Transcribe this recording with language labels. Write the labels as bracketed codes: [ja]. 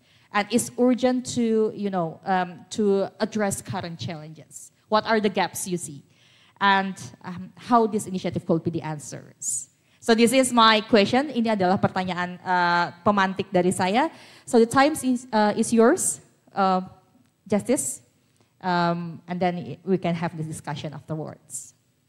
[en] And it's urgent to, you know, to address current challenges. What are the gaps you see? And how this initiative could be the answers. So this is my question. [id] Ini adalah pertanyaan pemantik dari saya. [en] So the time is yours, Justice. And then we can have the discussion afterwards.